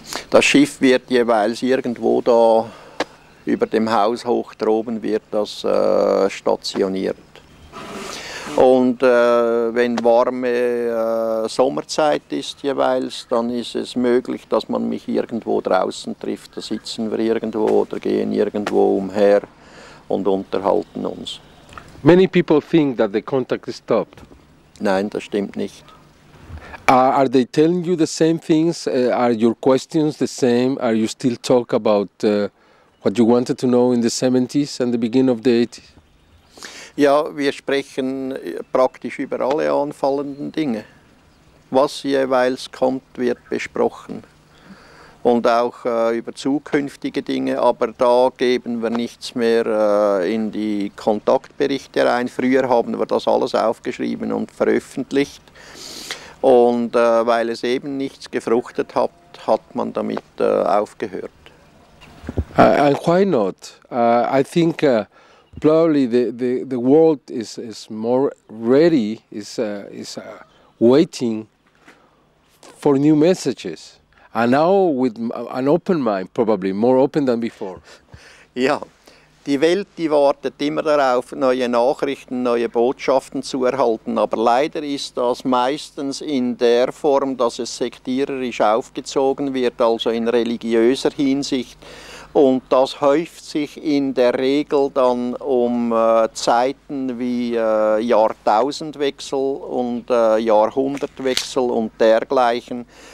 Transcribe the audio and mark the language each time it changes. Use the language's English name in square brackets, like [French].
[German] Das Schiff wird jeweils irgendwo da über dem Haus hoch droben, wird das stationiert. Und wenn warme Sommerzeit ist jeweils, dann ist es möglich, dass man mich irgendwo draußen trifft. Da sitzen wir irgendwo oder gehen irgendwo umher und unterhalten uns. [English] Many people think that the contact is stopped. [German] Nein, das stimmt nicht. [English] Are they telling you the same things? Are your questions the same? Are you still talk about what you wanted to know in the 70s and the beginning of the 80s? [German] Ja, wir sprechen praktisch über alle anfallenden Dinge. Was jeweils kommt, wird besprochen. Und auch über zukünftige Dinge, aber da geben wir nichts mehr in die Kontaktberichte rein. Früher haben wir das alles aufgeschrieben und veröffentlicht. Und weil es eben nichts gefruchtet hat, hat man damit aufgehört. [English] And why not? I think probably the world is more ready, is waiting for new messages. And now with an open mind, probably more open than before. [German] Ja, die Welt, die wartet immer darauf, neue Nachrichten, neue Botschaften zu erhalten. Aber leider ist das meistens in der Form, dass es sektiererisch aufgezogen wird, also in religiöser Hinsicht. Und das häuft sich in der Regel dann um Zeiten wie Jahrtausendwechsel und Jahrhundertwechsel und dergleichen.